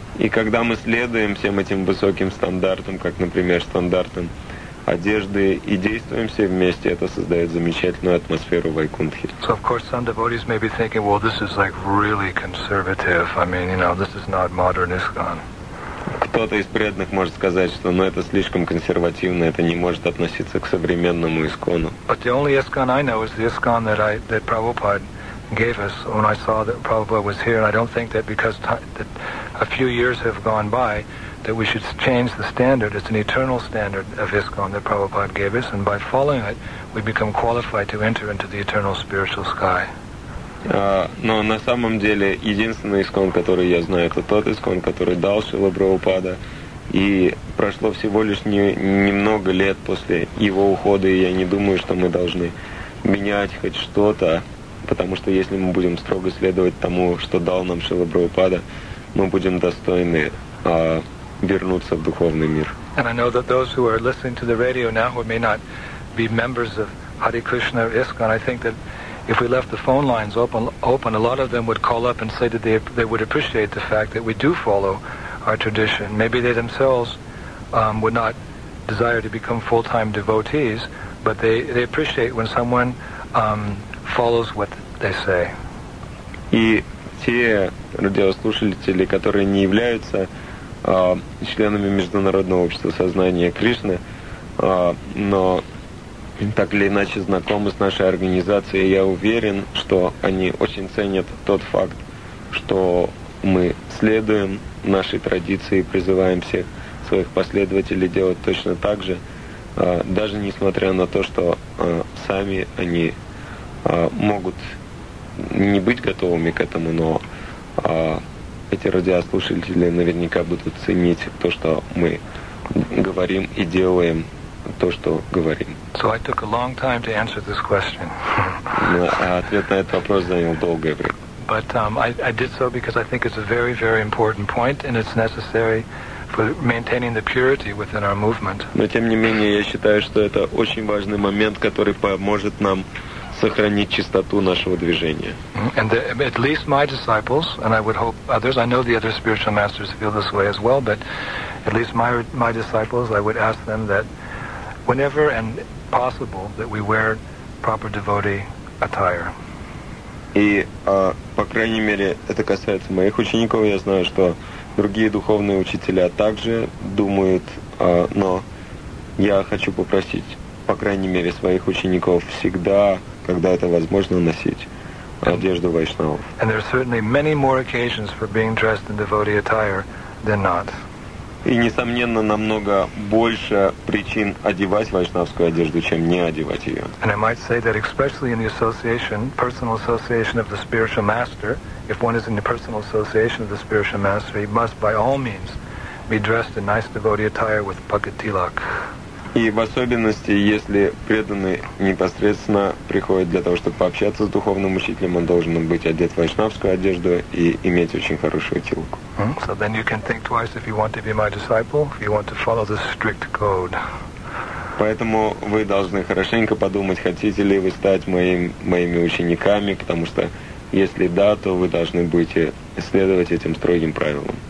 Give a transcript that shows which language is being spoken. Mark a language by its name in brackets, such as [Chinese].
[Russian] И когда мы следуем всем этим высоким стандартам, как, например, стандартам одежды, и действуем все вместе, это создает замечательную атмосферу Вайкунтхи. [English] So, of course, some devotees may be thinking, well, this is like really conservative. I mean, you know, this is not modern ISKCON. [Russian] Кто-то из преданных может сказать, что ну, это слишком консервативно, это не может относиться к современному ИСКОНу. [English] But the only ISKCON I know is the ISKCON that Prabhupada gave us when I saw that Prabhupada was here. And I don't think that because that a few years have gone by, that we should change the standard. It's an eternal standard of ISKCON that Prabhupada gave us, and by following it, we become qualified to enter into the eternal spiritual sky. [Russian] Но на самом деле, единственный ИСКОН, который я знаю, это тот ИСКОН, который дал Шрила Прабхупада, и прошло всего лишь немного лет после его ухода, и я не думаю, что мы должны менять хоть что-то, потому что если мы будем строго следовать тому, что дал нам Шрила Прабхупада, мы будем достойны вернуться в духовный мир. [English] And I know that those who are listening to the radio now who may not be members of Hare Krishna or ISKCON, I think that if we left the phone lines open, a lot of them would call up and say that they would appreciate the fact that we do follow our tradition. Maybe they themselves would not desire to become full-time devotees, but they appreciate when someone follows what they say. [Russian] И те радиослушатели, которые не являются членами Международного общества сознания Кришны, но так или иначе знакомы с нашей организацией, я уверен, что они очень ценят тот факт, что мы следуем нашей традиции и призываем всех своих последователей делать точно так же, даже несмотря на то, что сами они могут не быть готовыми к этому, но эти радиослушатели наверняка будут ценить то, что мы говорим и делаем то, что говорим. [English] So I took a long time to answer this question. [Russian] Ответ на этот вопрос занял долгое время. [English] But I did so because I think it's a very, very important point, and it's necessary for maintaining the purity within our movement. [Russian] Но тем не менее, я считаю, что это очень важный момент, который поможет нам сохранить чистоту нашего движения. [English] And at least my disciples, and I would hope others, I know the other spiritual masters feel this way as well, but at least my disciples, I would ask them that whenever and possible that we wear proper devotee attire. [Russian] И, по крайней мере, это касается моих учеников, я знаю, что другие духовные учителя также думают, но я хочу попросить, по крайней мере, своих учеников всегда, когда это возможно, носить одежду вайшнавов. [English] And there are certainly many more occasions for being dressed in devotee attire than not. [Russian] И, несомненно, намного больше причин одевать вайшнавскую одежду, чем не одевать ее. [English] And I might say that especially in the association, personal association of the spiritual master, if one is in the personal association of the spiritual master, he must by all means be dressed in nice devotee attire with pukkit tilak. [Russian] И в особенности, если преданный непосредственно приходит для того, чтобы пообщаться с духовным учителем, он должен быть одет в вайшнавскую одежду и иметь очень хорошую тилку. [English] So then you can think twice if you want to be my disciple, if you want to follow the strict code. [Russian] Поэтому вы должны хорошенько подумать, хотите ли вы стать моими учениками, потому что если да, то вы должны будете следовать этим строгим правилам.